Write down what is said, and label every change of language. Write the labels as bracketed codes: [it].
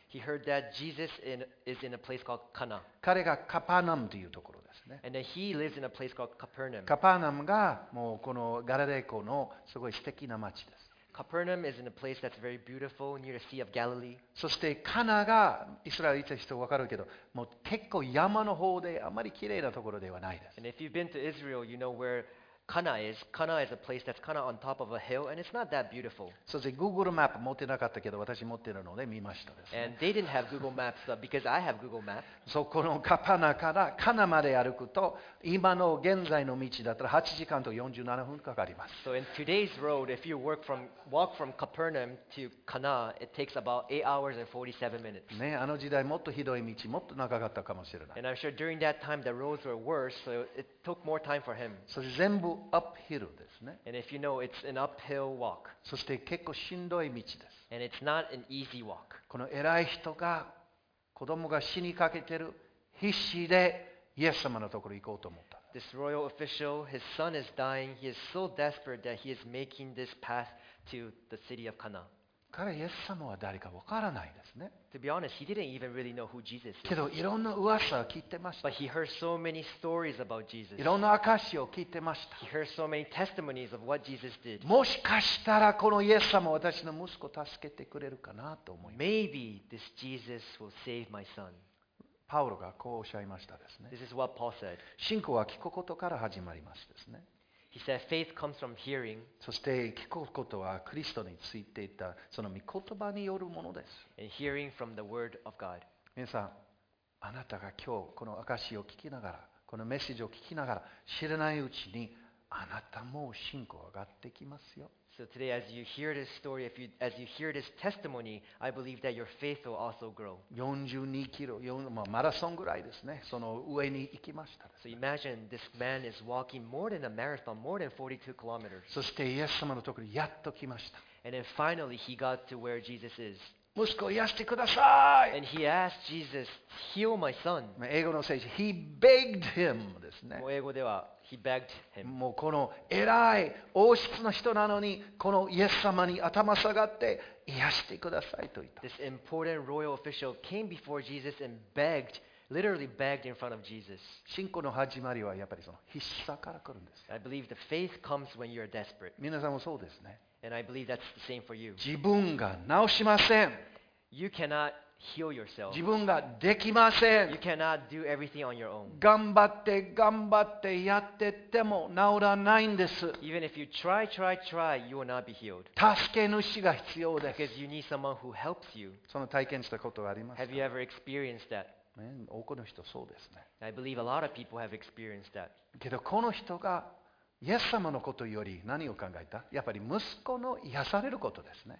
[en] He heard that Jesus is in a place called Cana. [ja] 彼がカパナムというところ。 [en] And then he lives in a place called Capernaum. [ja] Capernaum がもうこのガラレコのすごい素敵な町です。 [en] Capernaum is in a place that's very beautiful near the Sea of Galilee. [ja] そしてカナがイスラエル行った人分かるけど、もう結構山の方であまり綺麗なところではないです。 [en] And if you've been to Israel, you know where Cana is. Cana is a place that's kind of on top of a hill, and it's not that beautiful. [ja] そして Google マップ持ってなかったけど、私持ってるので見ましたです、ね。 [en] And they didn't have Google Maps, but because I have Google Maps. [ja] そこのカパナからカナまで歩くと、今の現在の道だったら8時間と47分かかります。 [en] So in today's road, if you walk from Capernaum to Cana, it takes about 8 hours and 47 minutes. [ja] ね、あの時代もっとひどい道、もっと長かったかもしれない。 [en] And I'm sure during that time the roads were worse, so it took more time for him. [ja] そして全部Uphill ですね、 [en] And if you know, it's an uphill walk. [ja] そして結構しんどい道です。 [en] And it's not an easy walk. [ja] この偉い人が子供が死にかけてる必死でイエス様のところに行こうと思った。 [en] This royal official, his son is dying. He is so desperate that he is making this path to the city of Cana. [ja] 彼イエス様は誰かわからないですね。 [en] To be honest, he didn't even really know who Jesus is. [ja] けどいろんな噂を聞いてました。 [en] But he heard so many stories about Jesus. [ja] いろんな証を聞いてました。 [en] He heard so many testimonies of what Jesus did. [ja] もしかしたらこのイエス様は私の息子を助けてくれるかなと思います。 [en] Maybe this Jesus will save my son. [ja] パウロがこうおっしゃいましたですね。 [en] This is what Paul said. [ja] 信仰は聞くことから始まりますですね。 [en] He said, "Faith comes from hearing." [ja] そして聞くことはクリストについていたその御言葉によるものです。 [en] And hearing from the word of God. [ja] 皆さん、あなたが今日この証を聞きながら、このメッセージを聞きながら、知らないうちにあなたも信仰上がってきますよ。 [en] So today as you hear this story, if you, as you hear this testimony, I believe that your faith will also grow. [ja] 42キロ、まあ、マラソンぐらいですね。その上に行きましたですね。 [en] So imagine this man is walking more than a marathon, more than 42 kilometers. [ja] そしてイエス様のところにやっと来ました。 [en] And then finally he got to where Jesus is. [ja] 息子を癒してください。 [en] And he asked Jesus, heal my son. [ja] 英語の聖書、 [en] he begged him [ja] ですね。もう英語では、 [en] he begged him。 [ja] もうこの偉い王室の人なのに、このイエス様に頭下がって癒してくださいと言った。 [en] This important royal official came before Jesus and begged, literally begged in front of Jesus. [ja] 信仰の始まりはやっぱりその必殺から来るんです。 [en] I believe the faith comes when you're desperate. [ja] 皆さんもそうですね。 [en] And I believe that's the same for you. [ja] 自分が治しません。 [en] You cannot heal yourself. [ja] 自分ができません。 [en] You cannot do everything on your own. [ja] 頑張って頑張ってやってっても治らないんです。 [en] Even if you try, try, try, you will not be healed. [ja] 助け主が必要です。 [en] Because you need someone who helps you. [ja] その体験したことがありますか? [en] Have you ever experienced that? [ja] 多くの人そうですね。 [en] I believe a lot of people have experienced that. [ja] けどこの人がイエス様のことより何を考えた？やっぱり息子の癒されることですね。